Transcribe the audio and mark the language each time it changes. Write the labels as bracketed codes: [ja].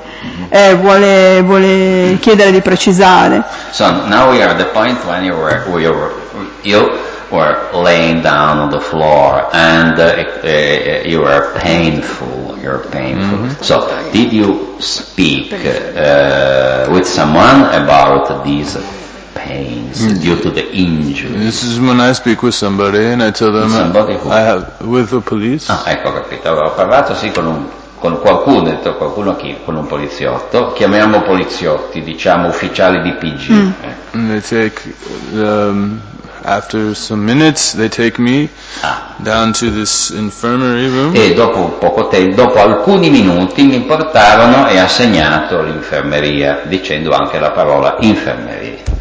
[it] Mm-hmm. Vuole chiedere di precisare. [en] So, now we are at the point when you were laying down on the floor and you were painful. You're painful. Mm-hmm. So, did you speak with someone about these pains due to the injury? This is when I speak with somebody and I tell them I have with the police. [it] Ah, ecco, capito. Ho parlato sì con qualcuno, detto qualcuno chi? Con un poliziotto. Chiamiamo poliziotti, diciamo ufficiali di PG. Mm. [en] After some minutes, they take me down to this infirmary room. [it] E dopo poco tempo, dopo alcuni minuti, mi portarono e assegnato l'infermeria, dicendo anche la parola infermeria.